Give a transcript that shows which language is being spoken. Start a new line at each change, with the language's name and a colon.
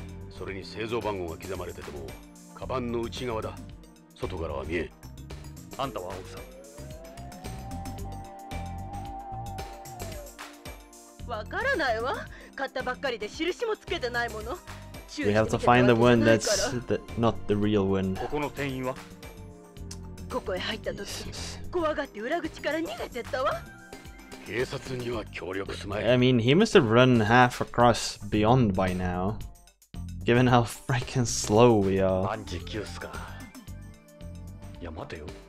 Japanese: それに製造番号が刻まれてても、カバンの内側だ。外からは見え。あんたは奥さん。わからないわ。買ったばっかりで印もつけてないもの。
English: We have to find the one that's the, not the real one.
Japanese: ここの店員は？ここへ入ったとき、怖がって裏口から逃げてったわ。警察には協力すまい。
English: I mean, he must have run half across beyond by now, given how freaking slow we are.
Japanese: 万事休すか。いや待てよ。